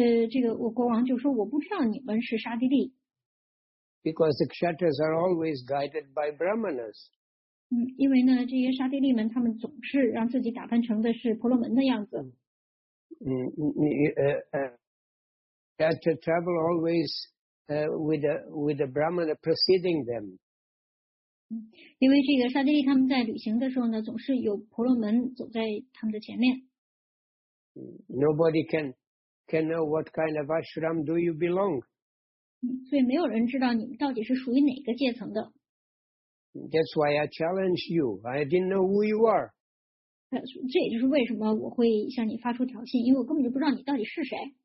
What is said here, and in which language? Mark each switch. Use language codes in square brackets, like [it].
[zh] 这个我国王就说，我不知道你们是沙帝利。 [en] Because the Kshatriyas are always guided by Brahmanas. [zh] 因为呢，这些沙帝利们他们总是让自己打扮成的是婆罗门的样子。 [en] Kshatriyas travel always with a Brahmana preceding them. [zh] 因为这个沙帝利他们在旅行的时候呢，总是有婆罗门走在他们的前面。 [en] Nobody can know what kind of ashram do you belong. [zh] 所以没有人知道你们到底是属于哪个阶层的。 [en] That's why I challenge you. I didn't know who you are. [zh] 这也就是为什么我会向你发出挑衅，因为我根本就不知道你到底是谁。